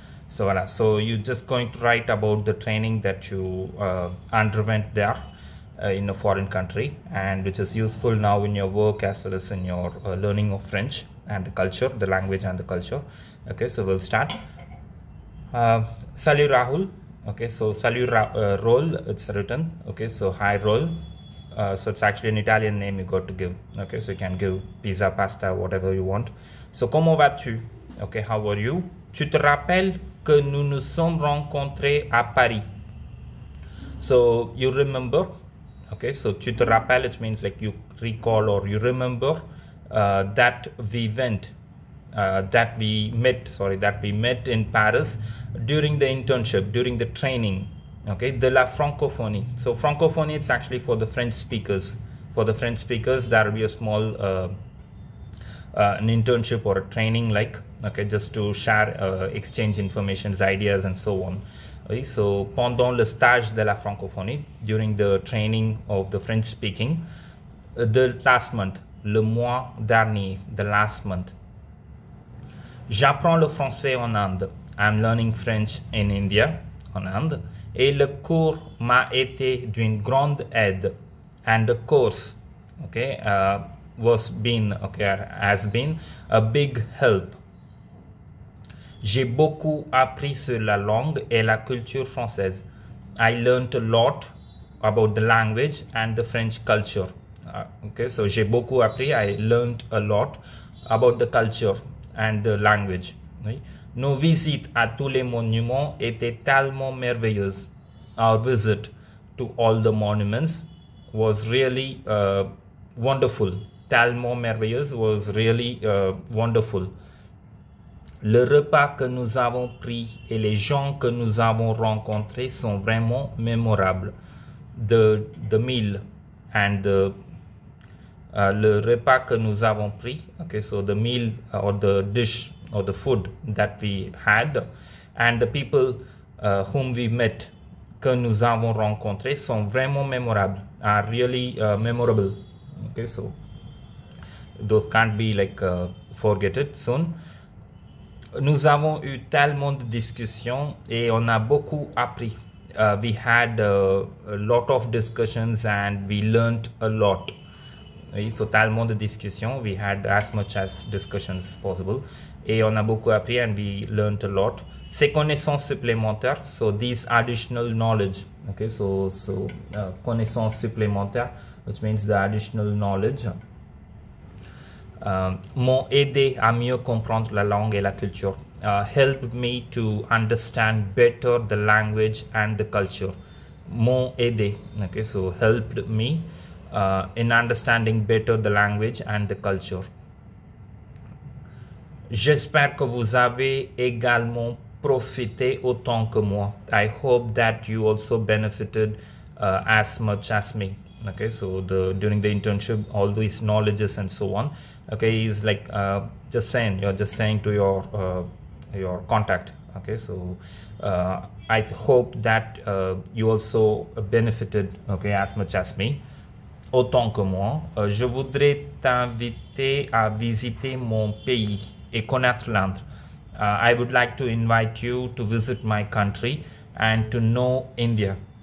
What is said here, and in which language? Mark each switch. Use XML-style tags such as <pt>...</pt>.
<en>So voilà, so you're just going to write about the training that you underwent there in a foreign country and which is useful now in your work as well as in your learning of French and the culture, the language and the culture. Okay, so we'll start. Salut Rahul. Okay, so salut Rol, it's written. Okay, so hi Rol. So it's actually an Italian name you got to give. Okay, so you can give pizza, pasta, whatever you want. So</en> <fr>comment vas-tu?</fr> <en>Okay, how are you?</en> <fr>Tu te rappelles que nous nous sommes rencontrés à Paris.</fr> <en>So, you remember, okay, so</en> <fr>tu te rappelles,</fr> <en>it means like you recall or you remember that we met in Paris during the internship, during the training, okay,</en> <fr>de la francophonie.</fr> <en>So, francophonie, it's actually for the French speakers. For the French speakers, there will be a small an internship or a training like, okay, just to share, exchange information, ideas, and so on. Okay, so,</en> <fr>pendant le stage de la francophonie,</fr> <en>during the training of the French speaking, the last month,</en> <fr>le mois dernier,</fr> <en>the last month.</en> <fr>J'apprends le français en Inde.</fr> <en>I'm learning French in India,</en> <fr>en Inde. Et le cours m'a été d'une grande aide.</fr> <en>And the course, okay, has been a big help.</en> <fr>J'ai beaucoup appris sur la langue et la culture française.</fr> <en>I learned a lot about the language and the French culture. Okay, so</en> <fr>j'ai beaucoup appris.</fr> <en>I learned a lot about the culture and the language.</en> <fr>Oui. Nos visites à tous les monuments étaient tellement merveilleuses.</fr> <en>Our visit to all the monuments was really wonderful.</en> <fr>Tellement merveilleux</fr> <en>was really wonderful.</en> <fr>Le repas que nous avons pris et les gens que nous avons rencontrés sont vraiment mémorables.</fr> <en>The meal and</en> <fr>le repas que nous avons pris,</fr> <en>okay, so the meal or the dish or the food that we had, and the people whom we met,</en> <fr>que nous avons rencontrés, sont vraiment mémorables,</fr> <en>are really memorable. Okay, so those can't be like forgotten soon.</en> <fr>Nous avons eu tellement de discussions et on a beaucoup appris.</fr> <en>We had a lot of discussions and we learned a lot. Oui, so</en> <fr>tellement de discussions,</fr> <en>we had as much as discussions possible.</en> <fr>Et on a beaucoup appris</fr> <en>and we learned a lot.</en> <fr>Ces connaissances supplémentaires,</fr> <en>so these additional knowledge, okay, so</en> <fr>connaissances supplémentaires,</fr> <en>which means the additional knowledge,</en> <fr>m'ont aidé à mieux comprendre la langue et la culture.</fr> <en>Helped me to understand better the language and the culture.</en> <fr>M'ont aidé,</fr> <en>okay, so helped me in understanding better the language and the culture.</en> <fr>J'espère que vous avez également profité autant que moi.</fr> <en>I hope that you also benefited as much as me. Okay, so during the internship, all these knowledges and so on. Okay, is like you're just saying to your contact. Okay, so I hope that you also benefited. Okay, as much as me.</en> <fr>Autant que moi, je voudrais t'inviter à visiter mon pays et connaître l'Inde.</fr> <en>I would like to invite you to visit my country and to know India.</en>